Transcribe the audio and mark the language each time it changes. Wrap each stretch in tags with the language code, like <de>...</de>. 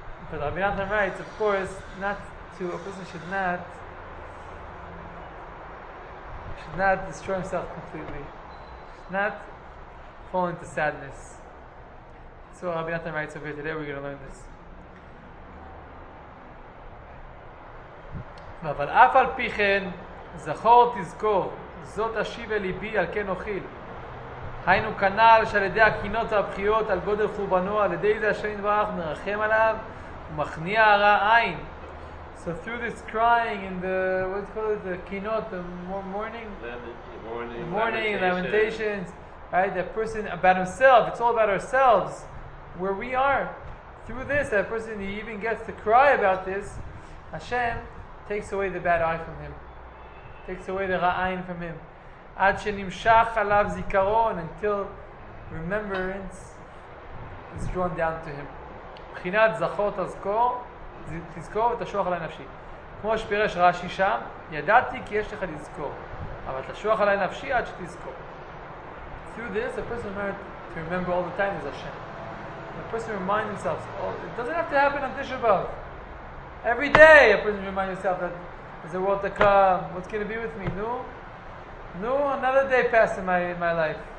<en>But Rabbi Natan writes, of course, a person should not destroy himself completely. Should not fall into sadness. So Rabbi Natan writes over here, today we're going to learn this.</en> <he>אבל אף על פי כן, זכור תזכור, זאת אשיב אל ליבי על כן אוכיל. היינו כנ"ל שעל ידי הקינות והבחיות על גודל חורבנו, על ידי זה השם יתברך מרחם עליו ומכניע הרע עין.</he> <en>So through this crying and the, what do you call it, the קינות, the mourning? Mourning, lamentations. Right, that person, about himself, it's all about ourselves, where we are. Through this, that person, he even gets to cry about this, Hashem takes away the bad eye from him. Takes away the ra ayin from him.</en> <he>עד שנמשך עליו זיכרון,</he> <en>until remembrance is drawn down to him.</en> <he>מבחינת זכור תזכור, תזכור ותשוח עלי נפשי. כמו שפירש רש"י שם, ידעתי כי יש לך לזכור, אבל תשוח עלי נפשי עד שתזכור.</he> <en>Through this, a person learned to remember all the time is Hashem. The person reminds himself, oh, it doesn't have to happen on Tisha B'Av. Every day, a person reminds himself that there's a world to come, what's going to be with me, no? No, another day passed in my life.</en>